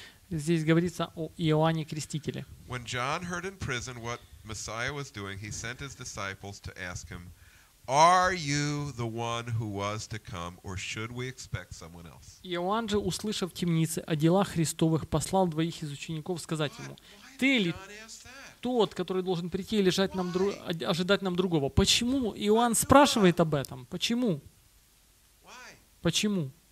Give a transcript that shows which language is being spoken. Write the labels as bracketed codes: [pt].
[ru] Здесь говорится о Иоанне Крестителе. [en] When John heard in prison what Messiah was doing, he sent his disciples to ask him, Are you the one who was to come, or should we expect someone else? [ru] Иоанн же, услышав в темнице о делах Христовых, послал двоих из учеников сказать ему, ты ли тот, который должен прийти и лежать нам ожидать нам другого? Почему Иоанн спрашивает об этом? Почему? Почему?